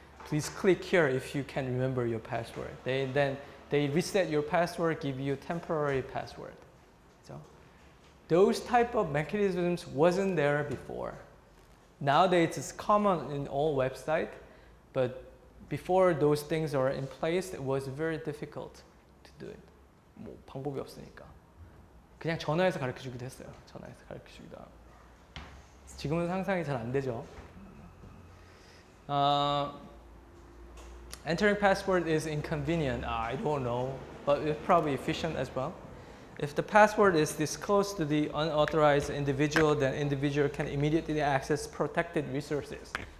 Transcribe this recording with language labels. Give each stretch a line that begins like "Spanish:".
English: Please click here if you can remember your password. They reset your password, give you a temporary password. So, those type of mechanisms wasn't there before. Nowadays, it's common in all websites, but before those things are in place, it was very difficult to do it.
Korean: 뭐 방법이 없으니까. 그냥 전화해서 가르쳐주기도 했어요. 전화해서 가르쳐주기도 하고. 지금은 상상이 잘 안 되죠.
English: Entering password is inconvenient, I don't know, but it's probably efficient as well. If the password is disclosed to the unauthorized individual, then individual can immediately access protected resources.